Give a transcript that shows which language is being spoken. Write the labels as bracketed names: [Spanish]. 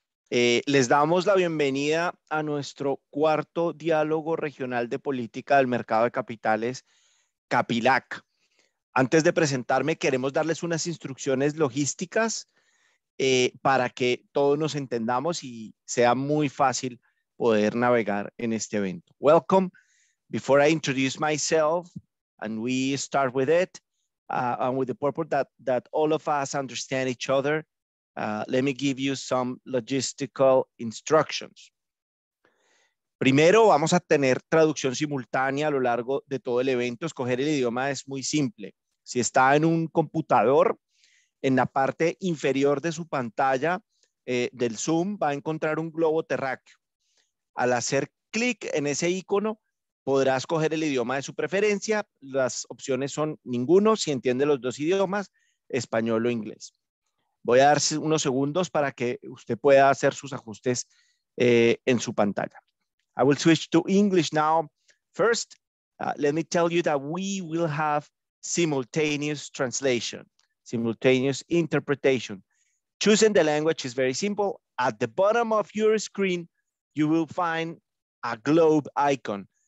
[Spanish] Les damos la bienvenida a nuestro cuarto diálogo regional de política del mercado de capitales, CAPILAC. Antes de presentarme, queremos darles unas instrucciones logísticas para que todos nos entendamos y sea muy fácil poder navegar en este evento. [English] Welcome. Before I introduce myself, and we start with it, and with the purpose that all of us understand each other, let me give you some logistical instructions. [Spanish] Primero, vamos a tener traducción simultánea a lo largo de todo el evento. Escoger el idioma es muy simple. Si está en un computador, en la parte inferior de su pantalla del Zoom, va a encontrar un globo terráqueo. Al hacer clic en ese icono, podrá escoger el idioma de su preferencia. Las opciones son ninguno, si entiende los dos idiomas, español o inglés. Voy a dar unos segundos para que usted pueda hacer sus ajustes en su pantalla. [English] I will switch to English now. First, let me tell you that we will have simultaneous translation, simultaneous interpretation. Choosing the language is very simple. At the bottom of your screen, you will find a globe icon.